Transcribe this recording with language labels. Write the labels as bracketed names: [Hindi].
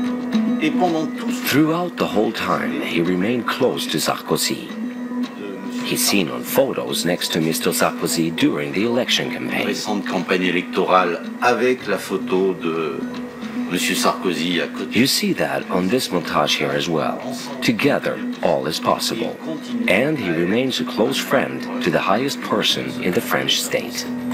[English] Throughout the whole time, he remained close to Sarkozy. He's seen on photos next to Mr. Sarkozy during the election campaign. [French] Récente campagne électorale avec la photo de Monsieur Sarkozy à côté. [English] You see that on this montage here as well. Together, all is possible. And he remains a close friend to the highest person in the French state.